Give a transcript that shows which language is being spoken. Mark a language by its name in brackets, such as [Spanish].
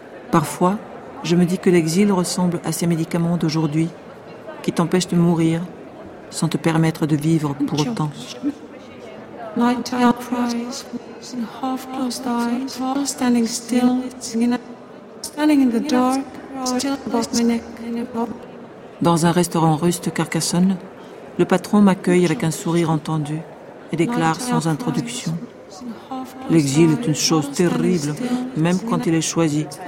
[French] Parfois, je me dis que l'exil ressemble à ces médicaments d'aujourd'hui qui t'empêchent de mourir sans te permettre de vivre pour autant. [English] Nighttime cries, and half-closed eyes, while standing still, standing in the dark, still above my neck. [French] Dans un restaurant russe de Carcassonne, le patron m'accueille avec un sourire entendu et déclare sans introduction. L'exil est une chose terrible, même quand il est choisi.